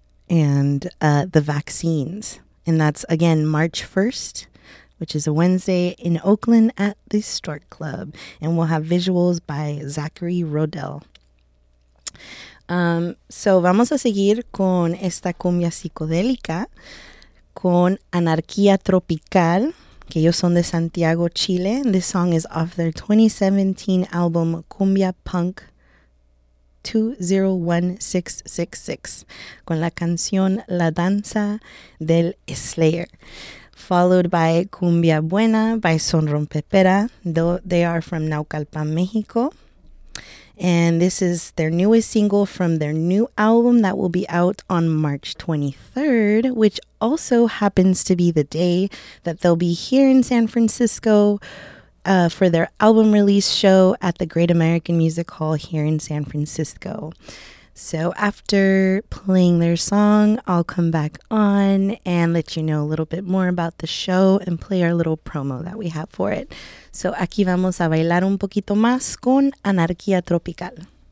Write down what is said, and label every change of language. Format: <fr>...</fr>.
<en>And The Vaccines. And that's, again, March 1st, which is a Wednesday in Oakland at the Stork Club. And we'll have visuals by Zachary Rodell.</en> <es>So vamos a seguir con esta cumbia psicodélica con Anarquía Tropical, que ellos son de Santiago, Chile.</es> <en>This song is off their 2017 album Cumbia Punk 201666</en> <es>con la canción</es> <en>La Danza del Slayer, followed by Cumbia Buena by Son Rompepera. They are from Naucalpan, Mexico. And this is their newest single from their new album that will be out on March 23rd, which also happens to be the day that they'll be here in San Francisco for their album release show at the Great American Music Hall here in San Francisco. So after playing their song, I'll come back on and let you know a little bit more about the show and play our little promo that we have for it.</en> <es>So aquí vamos a bailar un poquito más con Anarquía Tropical.</es>